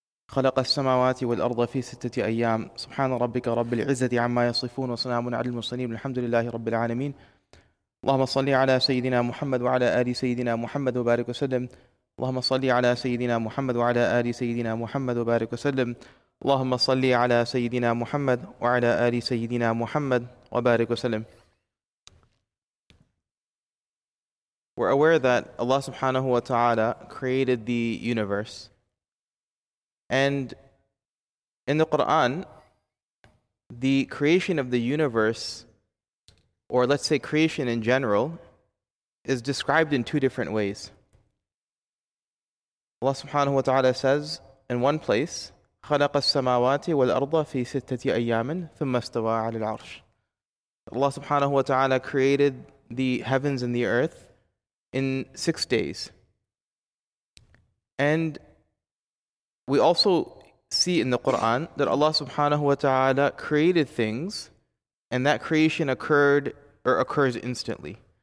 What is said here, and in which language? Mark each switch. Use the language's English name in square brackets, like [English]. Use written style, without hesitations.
[Arabic] خلق السماوات والأرض في ستة أيام سبحان ربك رب العزة عما يصفون وسلام على المرسلين الحمد لله رب العالمين اللهم صل على سيدنا محمد وعلى آل سيدنا محمد وبارك وسلم اللهم صل على سيدنا محمد وعلى آل سيدنا محمد وبارك وسلم اللهم صل على سيدنا محمد وعلى آل سيدنا محمد وبارك وسلم. [English] We're aware that Allah subhanahu wa ta'ala created the universe. And in the Quran, the creation of the universe, or let's say creation in general, is described in two different ways. Allah subhanahu wa ta'ala says in one place, [Arabic] خلق السماوات والأرض في ستة أيام ثم استوى على العرش. [English] Allah subhanahu wa ta'ala created the heavens and the earth in 6 days. And we also see in the Quran that Allah subhanahu wa ta'ala created things and that creation occurs instantly.